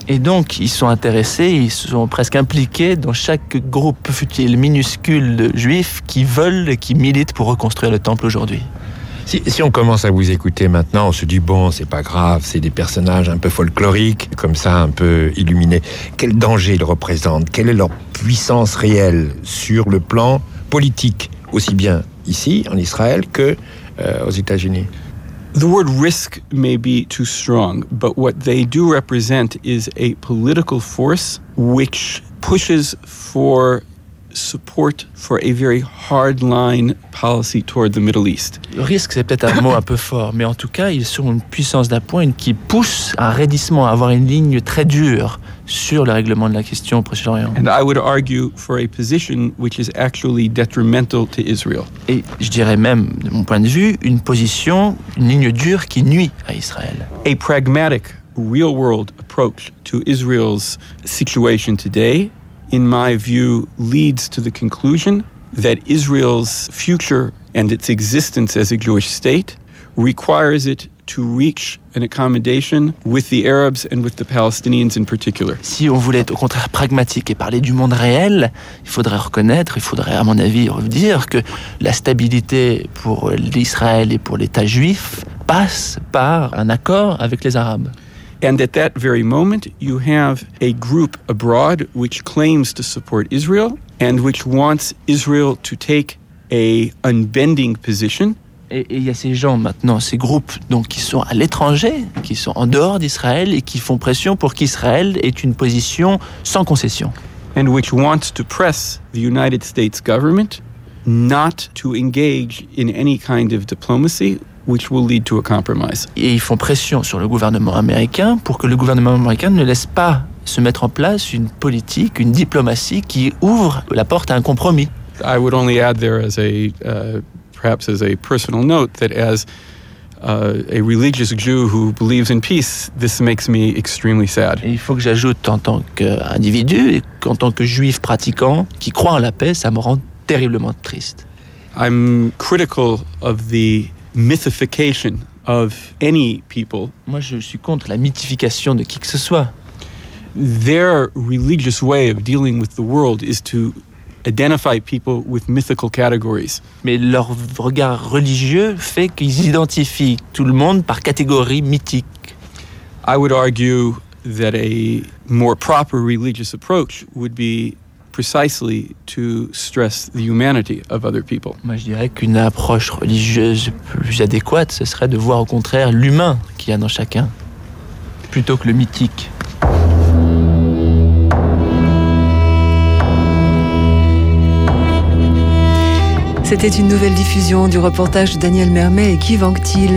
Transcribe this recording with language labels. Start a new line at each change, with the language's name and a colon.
French: Et donc, ils sont intéressés, ils sont presque impliqués dans chaque groupe futile minuscule de Juifs qui veulent, qui militent pour reconstruire le temple aujourd'hui. Si on commence à vous écouter maintenant, on se dit, bon, c'est pas grave, c'est des personnages un peu folkloriques, comme ça, un peu illuminés. Quel danger ils représentent? Quelle est leur puissance réelle sur le plan politique, aussi bien ici, en Israël, qu'aux États-Unis?
English: The word risk may be too strong, but what they do represent is a political force which pushes for support for a very hard-line policy toward the Middle East.
French: Le risque, c'est peut-être un mot un peu fort, mais en tout cas, ils sont une puissance d'appoint qui pousse un raidissement, à avoir une ligne très dure sur le règlement de la question au Proche-Orient.
English: And I would argue for a position which is actually detrimental to Israel.
French: Et je dirais même, de mon point de vue, une position, une ligne dure qui nuit à Israël.
English: A pragmatic, real-world approach to Israel's situation today, in my view, leads to the conclusion that Israel's future and its existence as a Jewish state requires it to reach an accommodation with the Arabs and with the Palestinians in particular.
French: Si on voulait être au contraire pragmatique et parler du monde réel, il faudrait à mon avis dire que la stabilité pour l'Israël et pour l'État juif passe par un accord avec les Arabes.
English: And at that very moment, you have a group abroad which claims to support Israel and which wants Israel to take a unbending position.
French: Et il y a ces gens maintenant, ces groupes donc qui sont à l'étranger, qui sont en dehors d'Israël et qui font pression pour qu'Israël ait une position sans concession.
English: And which wants to press the United States government not to engage in any kind of diplomacy, which will lead to a compromise.
French: Et ils font pression sur le gouvernement américain pour que le gouvernement américain ne laisse pas se mettre en place une politique, une diplomatie qui ouvre la porte à un compromis.
English: I would only add there as a perhaps as a personal note that as a religious Jew who believes in peace, this makes me extremely sad.
French: Et il faut que j'ajoute en tant qu'individu et en tant que juif pratiquant qui croit en la paix, ça me rend terriblement triste.
English: I'm critical of the mythification of any people.
French: Moi, je suis contre la mythification de qui que ce soit.
English: Their religious way of dealing with the world is to identify people with mythical categories.
French: Mais leur regard religieux fait qu'ils identifient tout le monde par catégorie mythique.
English: I would argue that a more proper religious approach would be precisely to stress the humanity of other people.
French: Moi, je dirais qu'une approche religieuse plus adéquate, ce serait de voir au contraire l'humain qu'il y a dans chacun, plutôt que le mythique. C'était une nouvelle diffusion du reportage de Daniel Mermet et Guy Vanctil.